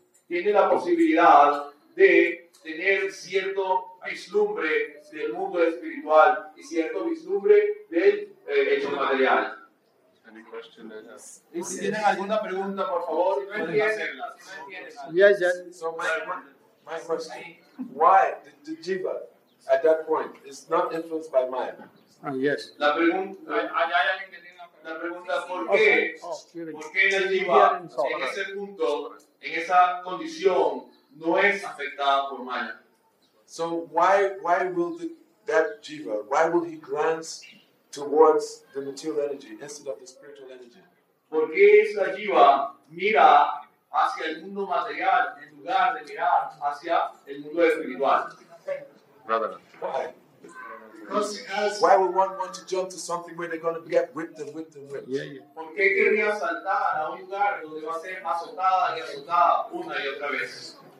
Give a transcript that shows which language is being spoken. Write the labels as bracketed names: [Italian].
[Spanish] Tiene la posibilidad de tener cierto vislumbre del mundo espiritual y cierto vislumbre del hecho material. [English] Any question? [Spanish] Si tienen alguna pregunta, por favor, pueden hacerla. [English] Yes, yes. So my question, why did the jiva at that point is not influenced by mind? Yes. [Spanish] La pregunta, ¿hay alguien que tiene la pregunta? ¿Por qué la jiva en ese punto, en esa condición, no es afectada por maya? [English] So why will that jiva, why will he glance towards the material energy instead of the spiritual energy? [Spanish] ¿Por qué esa jiva mira hacia el mundo material en lugar de mirar hacia el mundo espiritual? [English] Brother. Why? Because it has... Why would one want to jump to something where they're going to get whipped and whipped? Yeah, yeah. [Spanish] ¿Por qué querría saltar a un lugar donde va a ser azotada y azotada una y otra vez?